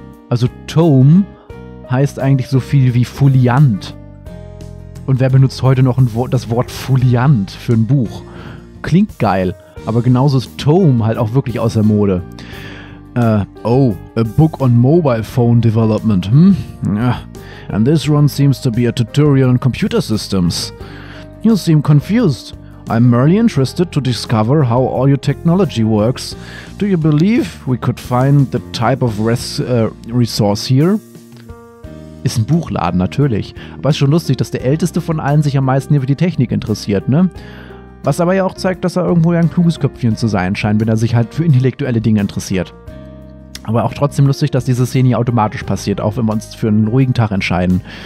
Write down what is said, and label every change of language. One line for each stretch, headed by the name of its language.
German: Also Tome heißt eigentlich so viel wie Foliant. Und wer benutzt heute noch das Wort Foliant für ein Buch? Klingt geil. Aber genauso ist Tome halt auch wirklich aus der Mode.
English: A book on mobile phone development, Yeah. And this one seems to be a tutorial on computer systems. You seem confused. I'm merely interested to discover how all your technology works. Do you believe we could find the type of resource here?
German: Ist ein Buchladen, natürlich. Aber ist schon lustig, dass der Älteste von allen sich am meisten hier für die Technik interessiert, ne? Was aber ja auch zeigt, dass er irgendwo ja ein kluges Köpfchen zu sein scheint, wenn er sich halt für intellektuelle Dinge interessiert. Aber auch trotzdem lustig, dass diese Szene hier automatisch passiert, auch wenn wir uns für einen ruhigen Tag entscheiden.